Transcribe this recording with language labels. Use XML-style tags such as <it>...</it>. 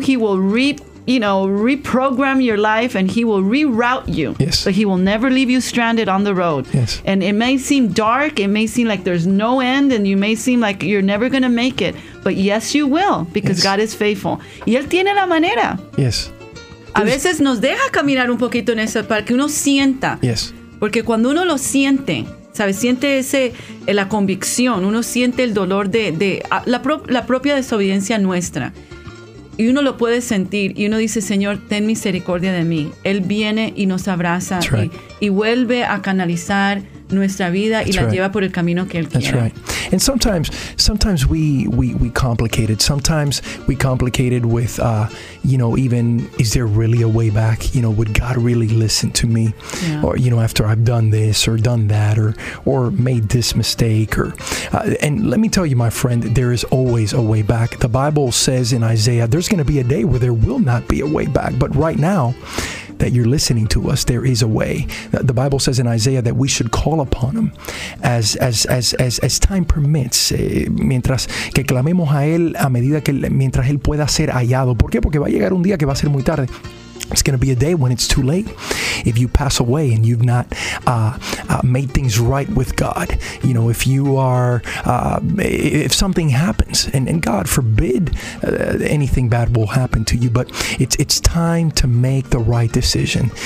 <en>He will reprogram your life, and he will reroute you. Yes. But he will never leave you stranded on the road. Yes. And it may seem dark. It may seem like there's no end, and you may seem like you're never going to make it. But yes, you will, because God is faithful.</en> <es>Y él tiene la manera.</es> <en>Yes.</en> <es>A veces nos deja caminar un poquito en eso para que uno sienta.</es> <en>Yes.</en> <es>Porque cuando uno lo siente, ¿sabes? Siente la convicción, uno siente el dolor de la propia desobediencia nuestra. y uno lo puede sentir y uno dice, Señor, ten misericordia de mí. Él viene y nos abraza y vuelve a canalizar nuestra vida y la lleva por el camino que Él quiere.</es> <en>That's right. And sometimes we complicate it. Sometimes we complicate it with, you know, even, is there really a way back? You know, would God really listen to me? Yeah. Or, you know, after I've done this or done that or made this mistake or, and let me tell you, my friend, there is always a way back. The Bible says in Isaiah, there's going to be a day where there will not be a way back. But right now, that you're listening to us, there is a way. The Bible says in Isaiah that we should call upon Him as time permits.</en> <es>Mientras que clamemos a Él a medida que mientras Él pueda ser hallado. ¿Por qué? Porque va a llegar un día que va a ser muy tarde.</es> <en>It's going to be a day when it's too late. If you pass away and you've not made things right with God, you know, if you are, if something happens, and God forbid anything bad will happen to you, but it's time to make the right decision.</en>